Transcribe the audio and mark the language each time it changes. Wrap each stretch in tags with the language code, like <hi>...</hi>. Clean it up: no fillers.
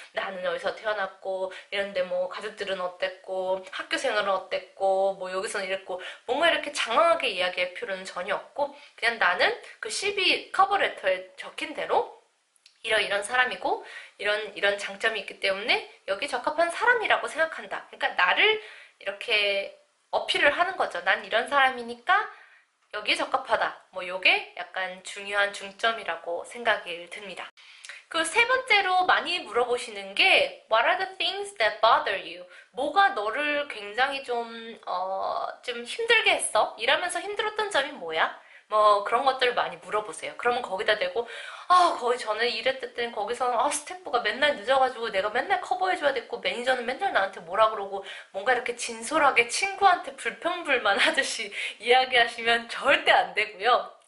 <ko>나는 여기서 태어났고, 이런데 뭐 가족들은 어땠고, 학교 생활은 어땠고, 뭐 여기서는 이랬고, 뭔가 이렇게 장황하게 이야기할 필요는 전혀 없고, 그냥 나는 그 CV 커버레터에 적힌 대로 이런 사람이고, 이런 장점이 있기 때문에 여기 적합한 사람이라고 생각한다. 그러니까 나를 이렇게 어필을 하는 거죠. 난 이런 사람이니까 여기에 적합하다. 뭐, 요게 약간 중요한 중점이라고 생각이 듭니다. 그세 번째로 많이 물어보시는 게,</ko> <en>What are the things that bother you?</en> <ko>뭐가 너를 굉장히 좀 힘들게 했어? 일하면서 힘들었던 점이 뭐야? 뭐, 그런 것들을 많이 물어보세요. 그러면 거기다 대고, 거기 전에 일했을 땐 거기서는, 스태프가 맨날 늦어가지고 내가 맨날 커버해줘야 됐고, 매니저는 맨날 나한테 뭐라 그러고, 뭔가 이렇게 진솔하게 친구한테 불평불만 하듯이 이야기하시면 절대 안 되고요.</ko>